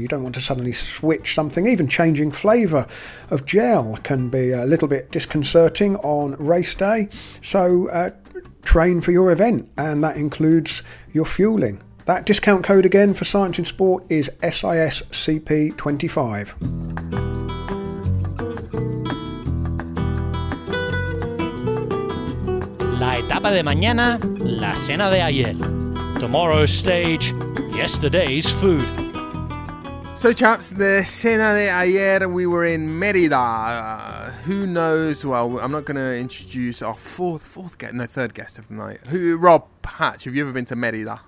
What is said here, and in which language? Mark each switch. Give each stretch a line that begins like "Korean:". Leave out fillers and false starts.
English: You don't want to suddenly switch something. Even changing flavour of gel can be a little bit disconcerting on race day. So train for your event, and that includes your fueling. That discount code again for Science in Sport is SISCP25.
Spanish: etapa de mañana, la cena de ayer.
English: Tomorrow's stage, yesterday's food. So chaps, the
Spanish: cena de ayer,
English: we were in Mérida. Who knows? Well, I'm not going to introduce our third guest of the night. Who? Rob Patch, have you ever been to Mérida?